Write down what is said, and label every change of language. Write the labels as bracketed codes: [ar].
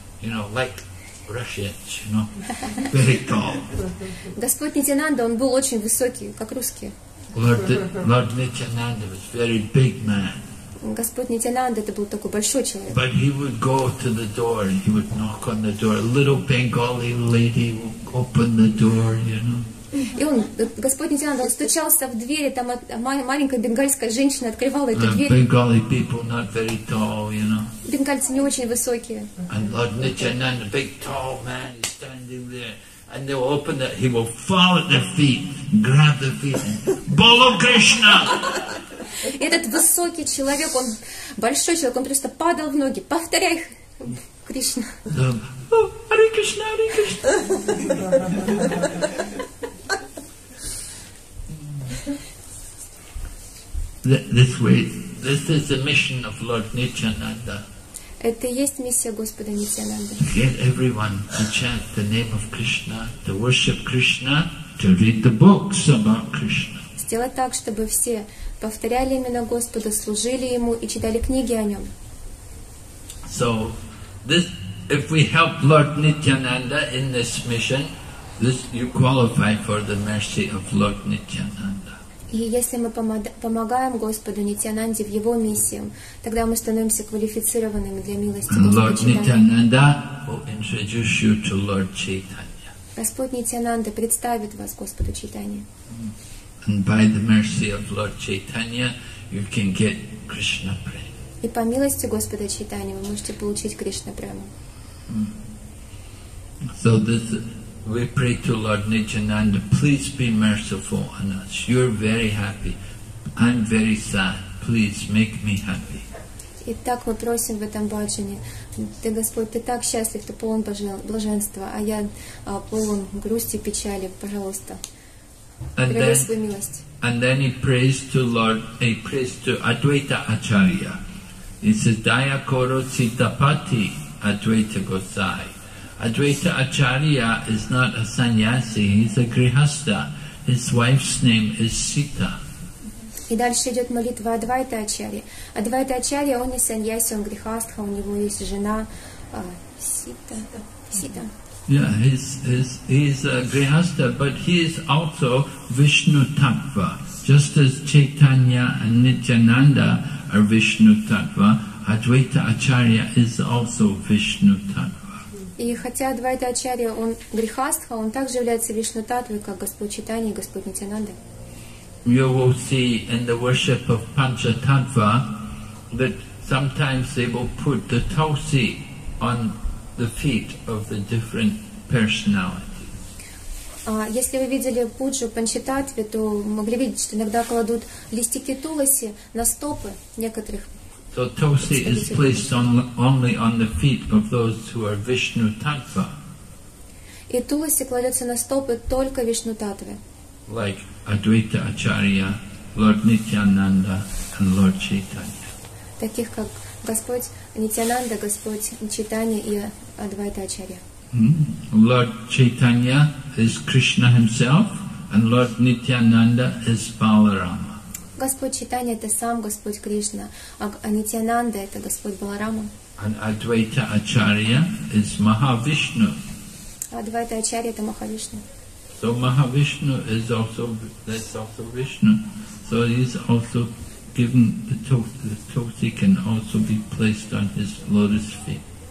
[en] You know, like Russians, you know, very tall. [ru] Господь Нитьянанда, он был очень высокий, как русские. [en] Lord Nityananda was very big man. [ru] Господь Нитьянанда, это был такой большой человек. [en] But he would go to the door and he would knock on the door. A little Bengali lady would open the door, you know. [ru] И он, Господь Нитьянанда, он стучался в дверь, там маленькая бенгальская женщина открывала эту дверь. [en] Bengali people not very tall, you know. [ru] Бенгальцы не очень высокие. [en] And Lord Nityananda, big tall man, standing there, And they will open it. He will fall at their feet, grab their feet. [bn] Bolo Krishna! [ru] Этот высокий человек, он большой человек, он просто падал в ноги. Повторяй, Кришна. [sa] Hare Krishna, Hare Krishna. [en] This way, this is the mission of Lord Nityananda. [ru] Это и есть миссия Господа Нитянанды. [en] Get everyone to chant the name of Krishna, to worship Krishna, to read the books about Krishna. [ru] Сделать так, чтобы все повторяли имена Господа, служили ему и читали книги о нем. [en] So, this, if we help Lord Nityananda in this mission, this you qualify for the mercy of Lord Nityananda. [ru] И если мы помогаем Господу Нитянанде в его миссиям, тогда мы становимся квалифицированными для милости Господа Чайтанья. Господь Нитянанда представит вас Господу Чайтанье. [en] And by the mercy of Lord Chaitanya, you can get Krishna prema. [ru] И по милости Господа Чайтанья вы можете получить Кришна прему. [en] So this we pray to Lord Nityananda, please be merciful on us. You're very happy. I'm very sad. Please make me happy. [ru] И так мы просим в этом баджане. Ты, Господь, ты так счастлив, ты полон блаженства, а я полон грусти, печали. Пожалуйста, прояви свою милость. [en] And then he prays to Lord, he prays to Advaita Acharya. He says, [bn] Daya Koro Sitapati Advaita Gosai. [en] Advaita Acharya is not a sannyasi, he's a grihastha. His wife's name is Sita. [ru] И дальше идет молитва Адвайта Ачарьи. Адвайта Ачарья, он не саньяси, он грихастха, у него есть жена Сита. Сита. [en] Yeah, he's a grihastha, but he is also Vishnu Tattva. Just as Chaitanya and Nityananda are Vishnu Tattva, Advaita Acharya is also Vishnu Tattva. [ru] И хотя Адвайта Ачарья, он грихастха, он также является вишнутатвой, как Господь Чайтанья и Господь Нитянанда. [en] You will see in the worship of Panchatattva that sometimes they will put the tulsi on the feet of the different personalities. [ru] Если вы видели пуджу Панчататтве, то могли видеть, что иногда кладут листики туласи на стопы некоторых. [en] So tulsi is placed only on the feet of those who are Vishnu Tattva. [ru] И туласи кладется на стопы только Вишну Таттве. [en] Like Advaita Acharya, Lord Nityananda, and Lord Chaitanya. [ru] Таких как Господь Нитянанда, Господь Чайтанья и Адвайта Ачарья. [en] Lord Chaitanya is Krishna himself, and Lord Nityananda is Balarama. [ru] Господь Чайтанья — это сам Господь Кришна, а Нитянанда — это Господь Баларама. [en] And Advaita Acharya is Mahavishnu. [ru] Адвайта Ачарья — это Махавишну. [en] So Mahavishnu is also, that's also Vishnu. So he's also given the tulsi can also be placed on his lotus feet.